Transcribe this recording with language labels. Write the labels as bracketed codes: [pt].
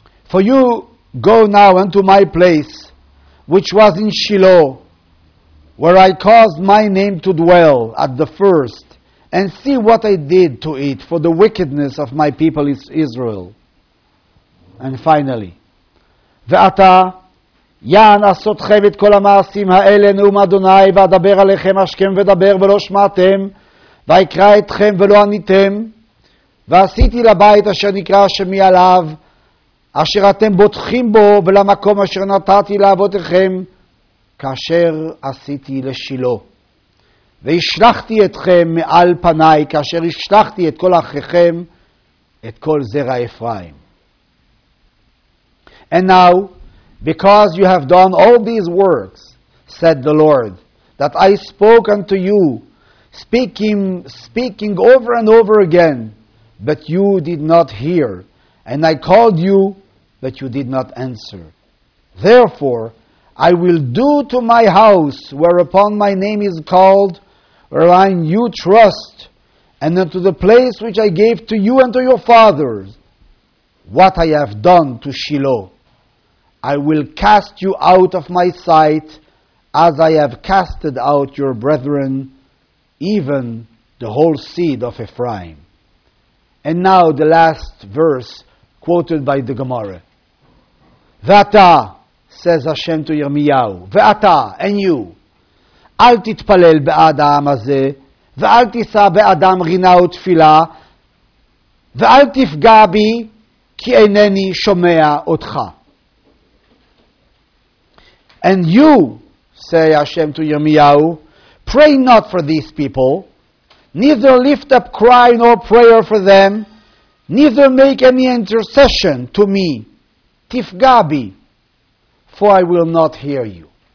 [en] For you go now unto my place, which was in Shiloh, where I caused my name to dwell at the first, and see what I did to it for the wickedness of my people Israel. And finally, [he] ועתה, יען עשותכם את כל המעשים האלה נאום אדוני, ואדבר עליכם אשכם ודבר ולא שמעתם, ואקרא אתכם ולא עניתם, ועשיתי לבית אשר נקרא השמי עליו, אשר אתם בוטחים בו ולמקום אשר נתתי לאבותיכם, כאשר עשיתי לשילו, והשלחתי אתכם מעל פניי, כאשר השלחתי את כל אחיכם, את כל זרע אפרים. [en] And now, because you have done all these works, said the Lord, that I spoke unto you, speaking over and over again, but you did not hear, and I called you, but you did not answer. Therefore, I will do to my house whereupon my name is called, wherein you trust, and unto the place which I gave to you and to your fathers, what I have done to Shiloh. I will cast you out of my sight, as I have casted out your brethren, even the whole seed of Ephraim. And now the last verse quoted by the Gemara. [he] Vata, [en] says Hashem to Yirmiyahu, [he] ואתה, [en] and you, [he] אל תתפלל בעד העם הזה, ואל תישא באדם רינה ותפילה, ואל תפגע בי, כי אינני שומע אותך. [en] And you, say Hashem to Yirmiyahu, pray not for these people, neither lift up cry nor prayer for them, neither make any intercession to me, [he] תפגע בי, [en] for I will not hear you.